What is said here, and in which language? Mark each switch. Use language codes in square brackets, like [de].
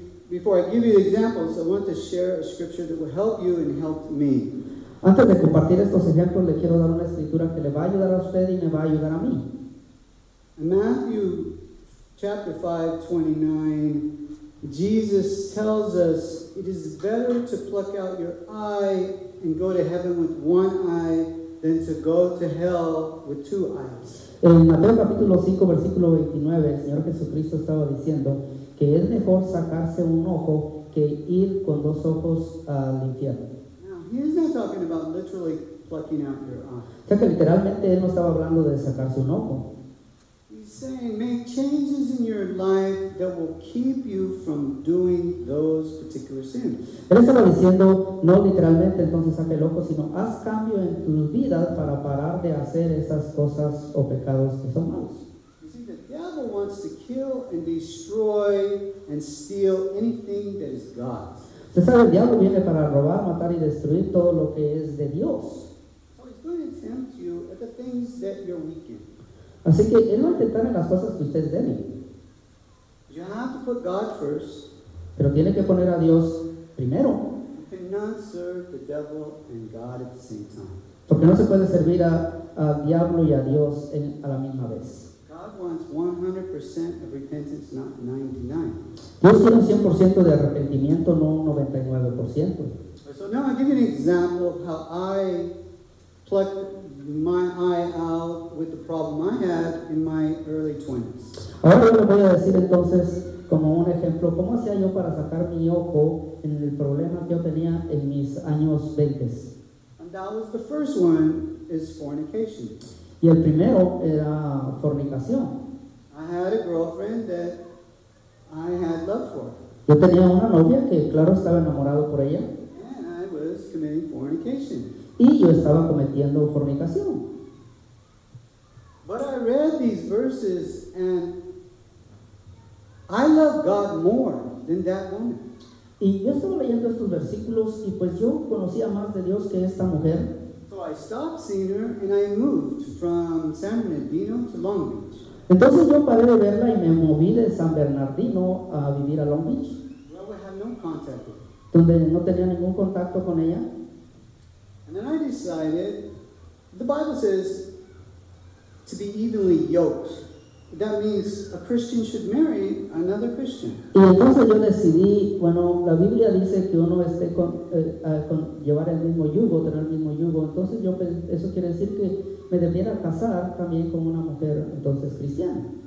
[en] Before I give you the examples, I want to share a scripture that will help you and help me. [es] Antes de compartir estos ejemplos, le quiero dar una escritura que le va a ayudar a usted y me va a ayudar a mí. [en] Matthew chapter 5:29, Jesus tells us, it is better to pluck out your eye and go to heaven with one eye than to go to hell with two eyes. [es] En Mateo capítulo 5 versículo 29, el Señor Jesucristo estaba diciendo que es mejor sacarse un ojo que ir con dos ojos al infierno. [en] Now, he's not talking about literally plucking out your eye. [es] O sea, que literalmente él no estaba hablando de sacarse un ojo. [en] He's saying make changes in your life that will keep you from doing those particular sins. [es] Él estaba diciendo, no literalmente entonces saque el ojo, sino haz cambio en tus vidas para parar de hacer esas cosas o pecados que son malos. [en] You see, the devil wants to kill and destroy and steal anything that is God's. [es] Usted sabe, el diablo viene para robar, matar y destruir todo lo que es de Dios. [en] So he's going to tempt you at the things that you're weak in. [es] Así que él va a intentar en las cosas que usted es débil. [en] You have to put God first. [es] Pero tiene que poner a Dios primero. [en] You cannot serve the devil and God at the same time. [es] Porque no se puede servir a diablo y a Dios en, a la misma vez. [en] God wants 100% of repentance, not 99%. [es] Dios quiere un 100% de arrepentimiento, no un 99%. [en] So now I'll give you an example of how I plucked my eye out with the problem I had in my early 20s. [es] Ahora le voy a decir entonces, como un ejemplo, ¿cómo hacía yo para sacar mi ojo en el problema que yo tenía en mis años 20? [en] And that was the first one, is fornication. [es] Y el primero era fornicación. [en] I had a girlfriend that I had love for. [es] Yo tenía una novia que, claro, estaba enamorado por ella. [en] And I was committing fornication. [es] Y yo estaba cometiendo fornicación. [en] But I read these verses and I love God more than that woman. [es] Y yo estaba leyendo estos versículos y pues yo conocía más de Dios que esta mujer. [en] So I stopped seeing her and I moved from San Bernardino to Long Beach. [es] Entonces yo paré de verla y me moví de San Bernardino a vivir a Long Beach. [en] Where we had no contact with her. [es] Donde no tenía ningún contacto con ella. [en] And then I decided, the Bible says to be evenly yoked. That means a Christian should marry another Christian. [es] Y entonces yo decidí, bueno, la Biblia dice que uno esté con, con llevar el mismo yugo, tener el mismo yugo. Entonces yo, eso quiere decir que me debiera casar también con una mujer entonces cristiana.